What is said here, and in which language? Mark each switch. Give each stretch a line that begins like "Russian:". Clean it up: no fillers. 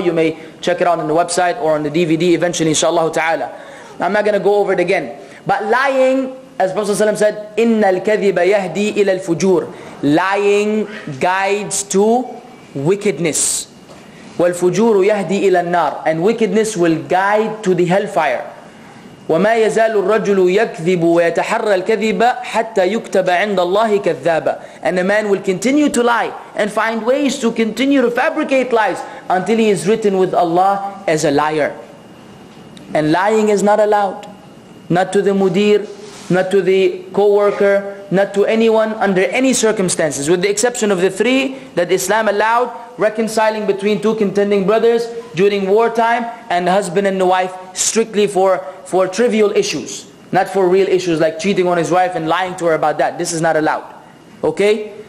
English: You may check it out on the website or on the DVD eventually, inshallah ta'ala. I'm not going to go over it again. But lying, as Prophet ﷺ said,
Arabic: "Inna al-kadhiba yahdi ila al-fujur."
English: Lying guides to wickedness.
Arabic: Wal-fujuru yahdi ila al-nar.
English: And wickedness will guide to the hellfire.
Arabic: وما يزال الرجل يكذب ويتحرى الكذب حتى يكتب عند الله كذابا.
English: And a man will continue to lie and find ways to continue to fabricate lies until he is written with Allah as a liar. And lying is not allowed. Not to the mudir, not to the co-worker, not to anyone under any circumstances, with the exception of the three that Islam allowed: reconciling between two contending brothers during wartime, and the husband and the wife, strictly for trivial issues, not for real issues like cheating on his wife and lying to her about that. This is not allowed. Okay?